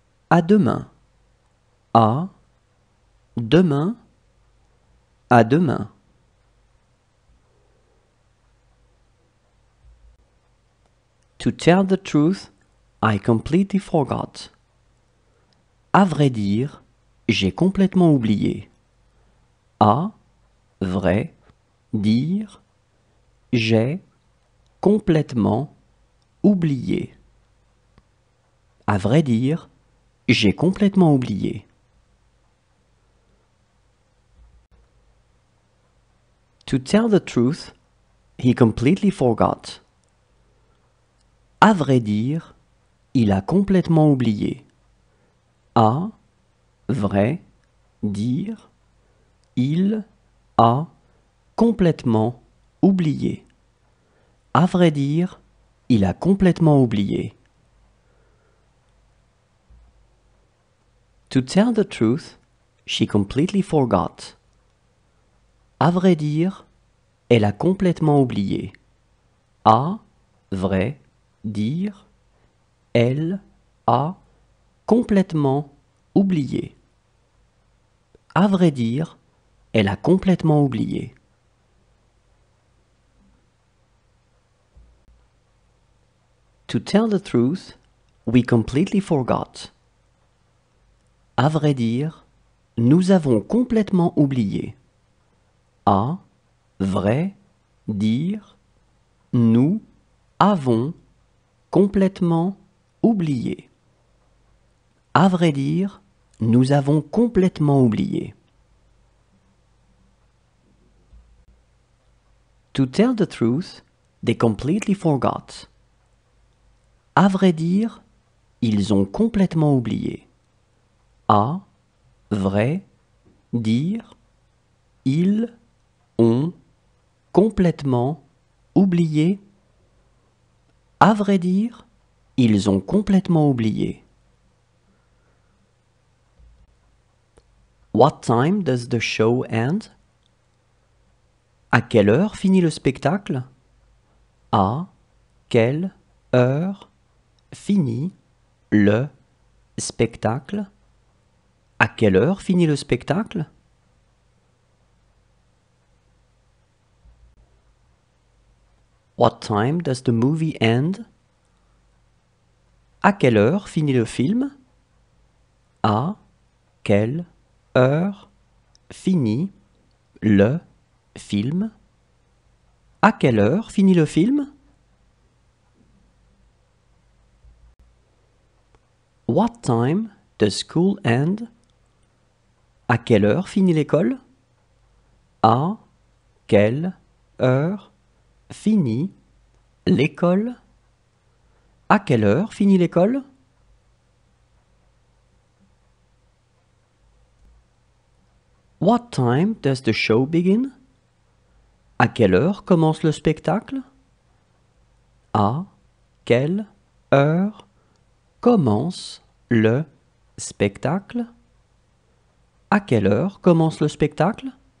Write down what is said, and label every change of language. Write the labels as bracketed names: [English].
[French] À demain. À demain. À demain. [English] To tell the truth, I completely forgot. [French] À vrai dire, j'ai complètement oublié. À vrai dire, j'ai complètement oublié. À vrai dire, j'ai complètement oublié. [English] To tell the truth, he completely forgot. [French] À vrai dire, il a complètement oublié. À vrai dire, il a complètement oublié. À vrai dire, il a complètement oublié. [English] To tell the truth, she completely forgot. [French] À vrai dire, elle a complètement oublié. À vrai dire, elle a complètement oublié. À vrai dire, elle a complètement oublié. [English] To tell the truth, we completely forgot. [French] À vrai dire, nous avons complètement oublié. À vrai dire, nous avons complètement oublié. À vrai dire, nous avons complètement oublié. [English] To tell the truth, they completely forgot. [French] À vrai dire, ils ont complètement oublié. À vrai dire, ils ont complètement oublié. À vrai dire, ils ont complètement oublié. [English] What time does the show end? [French] À quelle heure finit le spectacle? À quelle heure finit le spectacle? À quelle heure finit le spectacle? [English] What time does the movie end? [French] À quelle heure finit le film? À quelle heure finit le film? À quelle heure finit le film? [English] What time does school end? [French] À quelle heure finit l'école? À quelle heure finit l'école? À quelle heure finit l'école? [English] What time does the show begin? [French] À quelle heure commence le spectacle? À quelle heure commence le spectacle? À quelle heure commence le spectacle?